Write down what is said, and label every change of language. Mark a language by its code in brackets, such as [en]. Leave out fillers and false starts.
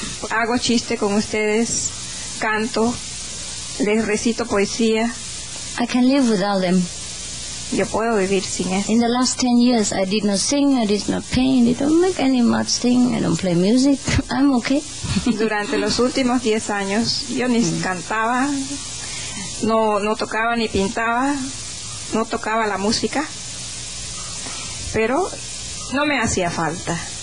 [es] Hago chiste con ustedes, canto, les recito poesía. [en] I can live without them. [es] Yo puedo vivir sin eso. [en] In the last 10 years, I did not sing, I did not paint, I don't make any much thing, I don't play music. I'm okay. [es] Durante los últimos 10 años, yo ni cantaba, no tocaba ni pintaba, no tocaba la música, pero no me hacía falta.